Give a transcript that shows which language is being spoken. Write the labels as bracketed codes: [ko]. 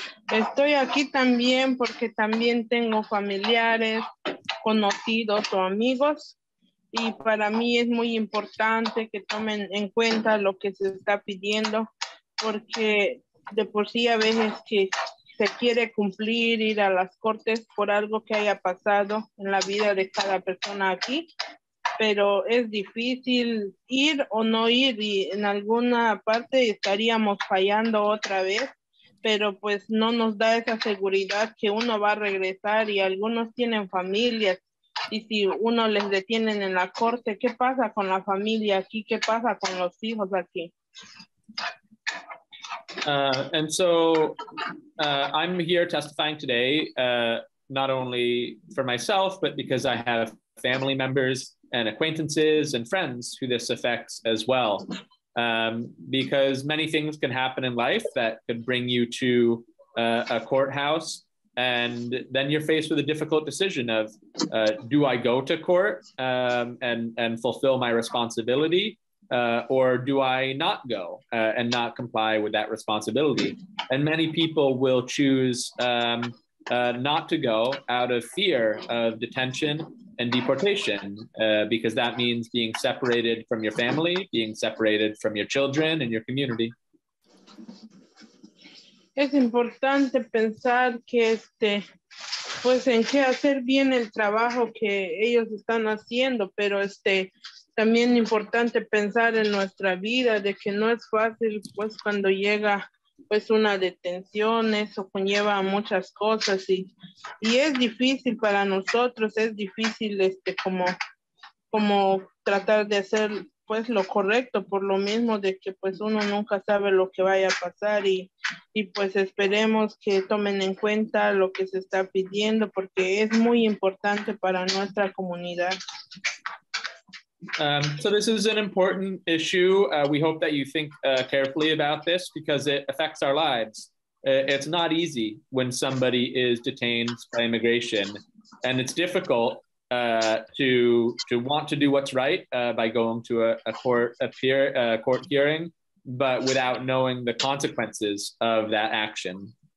[es] Estoy aquí también porque también tengo familiares, conocidos o amigos, y para mí es muy importante que tomen en cuenta lo que se está pidiendo, porque de por sí a veces que se quiere cumplir ir a las cortes por algo que haya pasado en la vida de cada persona aquí, pero es difícil ir o no ir, y en alguna parte estaríamos fallando otra vez, pero pues no nos da esa seguridad que uno va a regresar, y algunos tienen familias, y si uno les detienen en la corte, ¿qué pasa con la familia aquí? ¿Qué pasa con los hijos aquí? [en] And so I'm here testifying today, not only for myself, but because I have family members and acquaintances and friends who this affects as well. Because many things can happen in life that could bring you to a courthouse, and then you're faced with a difficult decision of, do I go to court and fulfill my responsibility, or do I not go and not comply with that responsibility? And many people will choose not to go out of fear of detention and deportation, because that means being separated from your family, being separated from your children and your community. [es] Es importante pensar que pues en qué hacer bien el trabajo que ellos están haciendo, pero también importante pensar en nuestra vida, de que no es fácil pues cuando llega pues una detención, eso conlleva muchas cosas, y es difícil para nosotros, es difícil como tratar de hacer pues lo correcto, por lo mismo de que pues uno nunca sabe lo que vaya a pasar, y pues esperemos que tomen en cuenta lo que se está pidiendo, porque es muy importante para nuestra comunidad. [en] So this is an important issue. We hope that you think carefully about this, because it affects our lives. It's not easy when somebody is detained by immigration, and it's difficult to want to do what's right by going to a court hearing, but without knowing the consequences of that action.